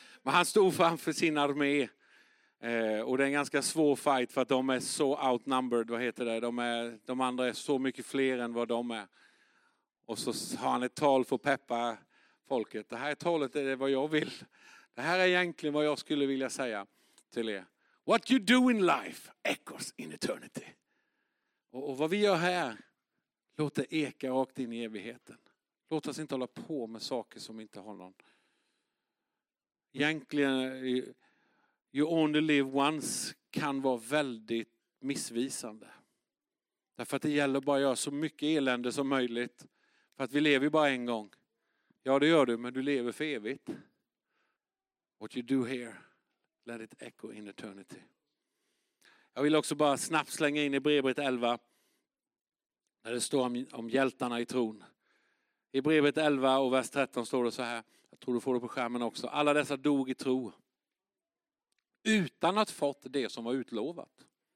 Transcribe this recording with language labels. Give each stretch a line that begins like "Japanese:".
Swedish: Men han stod framför sin armé. Och det är en ganska svår fight för att de är så outnumbered. Vad heter det? De andra är så mycket fler än vad de är. Och så har han ett tal för att peppa folket. Det här talet är vad jag vill. Det här är egentligen vad jag skulle vilja säga till er.
English: What you do in life echoes in eternity.
Swedish: Och vad vi gör här låter eka rakt in i evigheten. Låt oss inte hålla på med saker som inte har någon. Egentligen,
English: you only live once
Swedish: kan vara väldigt missvisande. Därför att det gäller bara att göra så mycket elände som möjligt. För att vi lever ju bara en gång. Ja, det gör du, men du lever för evigt.
English: What you do here, let it echo in eternity.
Swedish: Jag vill också bara snabbt slänga in i Hebreerbrevet 11. Där det står om hjältarna i tron. I Hebreerbrevet 11 och vers 13 står det så här. Jag tror du får det på skärmen också. Alla dessa dog i tro. Utan att fått det som var utlovat.